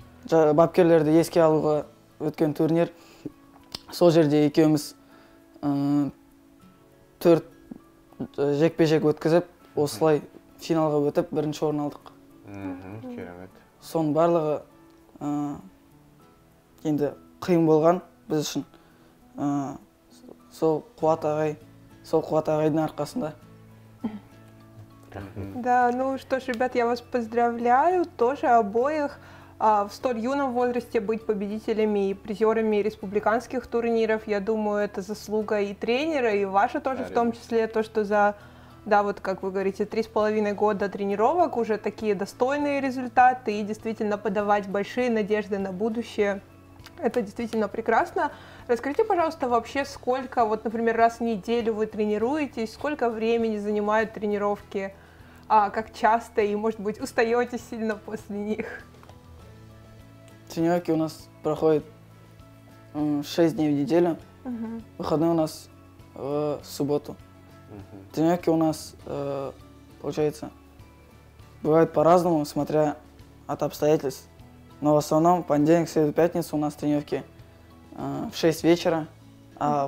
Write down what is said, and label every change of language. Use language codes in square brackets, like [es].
[kk] бапкерлерді еске алуға өткен турнир. Сол жерде екеуміз төрт жекпе-жек өткізіп, осылай финалға өтіп, бірінші орын алдық. Керемет. Сон барлығы енді қиын болған біз үшін. Сол Қуат ағай, сол Қуат ағайдың арқасында. [ru] Да, ну что ж, ребят, я вас поздравляю тоже обоих. В столь юном возрасте быть победителями и призерами республиканских турниров, я думаю, это заслуга и тренера, и ваша тоже, да, в том числе, то, что за, да, вот как вы говорите, 3,5 года тренировок уже такие достойные результаты, и действительно подавать большие надежды на будущее, это действительно прекрасно. Расскажите, пожалуйста, вообще, сколько, вот, например, раз в неделю вы тренируетесь, сколько времени занимают тренировки, как часто, и, может быть, устаете сильно после них? Тренировки у нас проходят 6 дней в неделю, uh-huh. выходные у нас в субботу. Uh-huh. Тренировки у нас, получается, бывают по-разному, смотря от обстоятельств. Но в основном понедельник, среду, пятницу у нас тренировки в 6 вечера, а uh-huh.